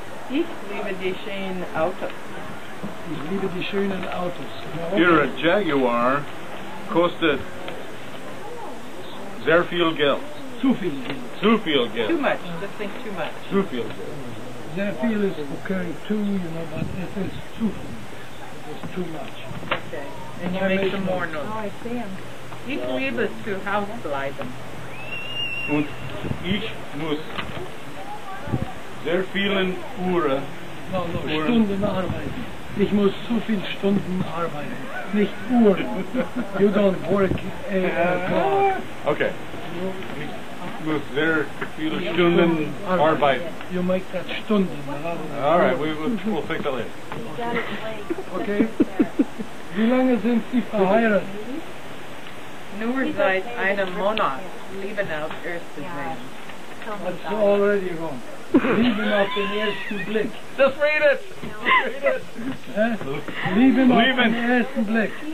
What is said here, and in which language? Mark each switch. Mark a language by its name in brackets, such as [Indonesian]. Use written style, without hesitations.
[German] Ich liebe die schönen Autos. Ich liebe die schönen Autos. [English] Here a [German] Jaguar kostet sehr viel Geld. Zu viel Geld. [English] Too much. Just think too much. [German] Zu viel Geld. Sehr viel [English] is occurring too, you know, but it is too viel. It is too much. Okay. And you make some more notes. Oh, I see him. [German] Ich liebe zu Hause bleiben. Und ich muss sehr vielen Uhren. No, Stunden arbeiten. Ich muss zu viel Stunden arbeiten, nicht Uhren. [English] You don't work a clock. Okay. [German] Ich muss sehr viele Stunden arbeiten. [English] You make that Stunden. All right, we'll think of it. Okay. [German] Wie lange sind Sie verheiratet? Nur seit einem Monat. Leben auf erste Blick. [English] That's already wrong. [German] Leben auf den ersten Blick. [English] Just read it. [German] Leben auf den ersten Blick.